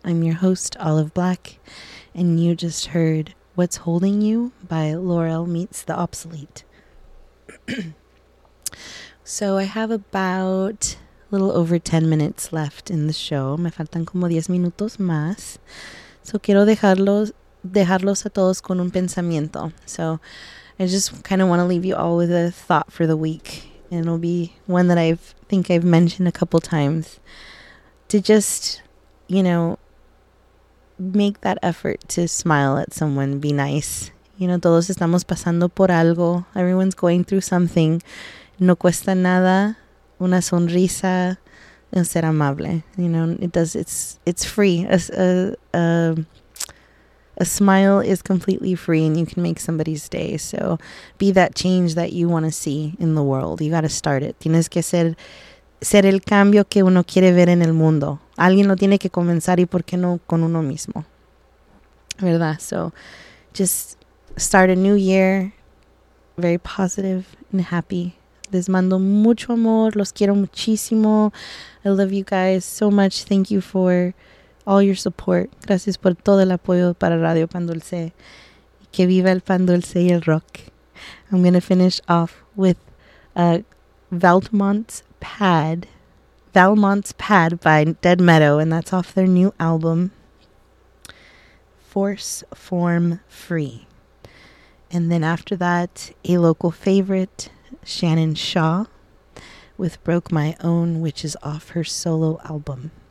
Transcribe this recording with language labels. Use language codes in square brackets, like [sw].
[en] I'm your host, Olive Black, and you just heard What's Holding You by Laurel Meets the Obsolete. So I have about a little over 10 minutes left in the show. [es] Me faltan como 10 minutos más. So quiero dejarlos a todos con un pensamiento. [en] So I just kind of want to leave you all with a thought for the week. And it'll be one that I think I've mentioned a couple times. To just, you know, make that effort to smile at someone, be nice. You know, [es] todos estamos pasando por algo. [en] Everyone's going through something. [es] No cuesta nada una sonrisa el ser amable. [en] You know, it's free. A smile is completely free and you can make somebody's day. So be that change that you want to see in the world. You got to start it. [es] Tienes que ser el cambio que uno quiere ver en el mundo. Alguien lo tiene que comenzar y por qué no con uno mismo. ¿Verdad? [en] So just start a new year very positive and happy. [es] Les mando mucho amor. Los quiero muchísimo. [en] I love you guys so much. Thank you for all your support. [es] Gracias por todo el apoyo para Radio Pan Dulce. Que viva el pan dulce y el rock. [en] I'm going to finish off with Valmont's Pad by Dead Meadow, and that's off their new album, Force Form Free. And then after that, a local favorite, Shannon Shaw, with Broke My Own, which is off her solo album.